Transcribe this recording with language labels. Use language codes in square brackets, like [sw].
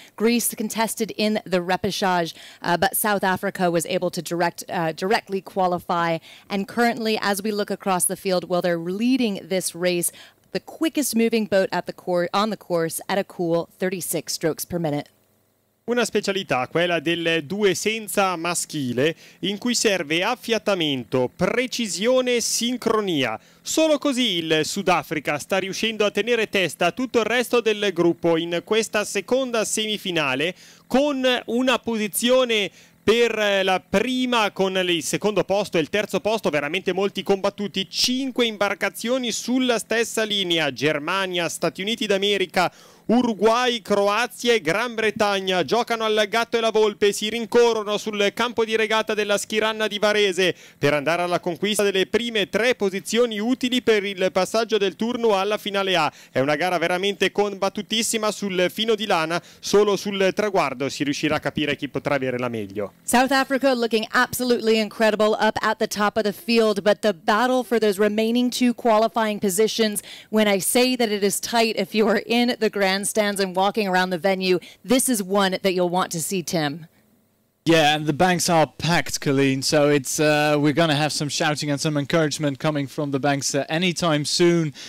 [en] Greece contested in the repechage, but South Africa was able to directly qualify, and currently, as we look across the field, well, they're leading this race, the quickest moving boat at the on the course at a cool 36 strokes per minute. [it] Una specialità, quella del due senza maschile, in cui serve affiatamento, precisione, sincronia. Solo così il Sudafrica sta riuscendo a tenere testa a tutto il resto del gruppo in questa seconda semifinale con una posizione per la prima, con il secondo posto e il terzo posto, veramente molti combattuti, 5 imbarcazioni sulla stessa linea, Germania, Stati Uniti d'America, Uruguay, Croazia e Gran Bretagna giocano al gatto e la volpe, si rincorrono sul campo di regata della Schiranna di Varese per andare alla conquista delle prime 3 posizioni utili per il passaggio del turno alla finale A. È una gara veramente combattutissima sul filo di lana, solo sul traguardo si riuscirà a capire chi potrà avere la meglio. [en] South Africa looking absolutely incredible up at the top of the field, but the battle for those remaining 2 qualifying positions, when I say that it is tight, if you are in the grandstands and walking around the venue, this is one that you'll want to see, Tim. Yeah, and the banks are packed, Colleen, so it's we're going to have some shouting and some encouragement coming from the banks anytime soon.